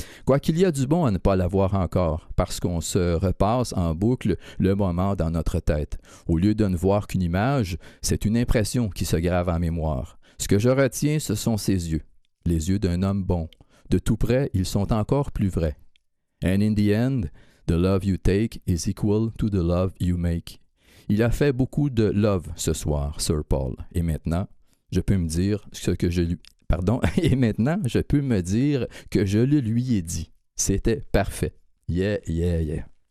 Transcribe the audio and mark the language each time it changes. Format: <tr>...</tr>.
<fr>Quoi qu'il y a du bon à ne pas l'avoir encore, parce qu'on se repasse en boucle le moment dans notre tête. Au lieu de ne voir qu'une image, c'est une impression qui se grave en mémoire. Ce que je retiens, ce sont ses yeux. Les yeux d'un homme bon. De tout près, ils sont encore plus vrais.</fr> <en>And in the end, the love you take is equal to the love you make.</en> <fr>Il a fait beaucoup de love ce soir, Sir Paul. Et maintenant, je peux me dire ce que je lui... Pardon. Et maintenant, je peux me dire que je le lui ai dit. C'était parfait.</fr> <en>Yeah, yeah, yeah.</en>